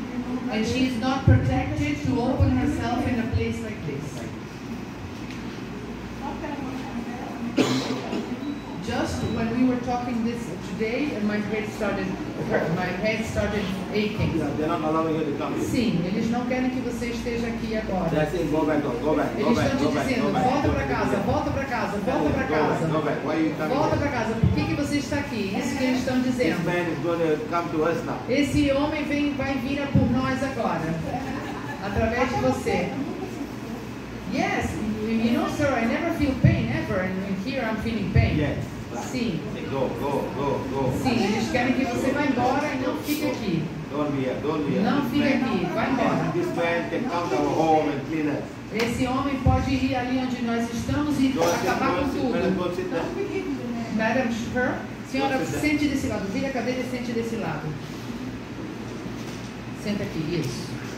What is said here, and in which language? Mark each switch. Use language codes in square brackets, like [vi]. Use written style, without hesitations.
[pt] vida. [en] And she is not protected to open herself in a place like this. Just when we were talking this today, my head started aching. They're not allowing you to come. [pt] Sim, eles não querem que você esteja aqui agora. [en] They're saying, go back. [pt] Eles estão te dizendo, volta para casa. [en] Go back. Why are you coming? [pt] Volta para casa. Por que que você está aqui? Isso que eles estão dizendo. [en] This man is going to come to us now. [pt] Esse homem vai vir por nós agora, através de você. [en] Yes, you know, sir, I never feel pain ever, and here I'm feeling pain. Yes. [pt] Sim. [en] Go. [pt] Sim, eles querem que você vá embora e não fique aqui. [en] Don't be here. [pt] Não fique aqui, vai embora. [en] This man can come to our home and clean us. [pt] Esse homem pode ir ali onde nós estamos e acabar com tudo. Madam Sher, senhora, sente desse lado. Vira a cadeira e sente desse lado. Senta aqui, isso.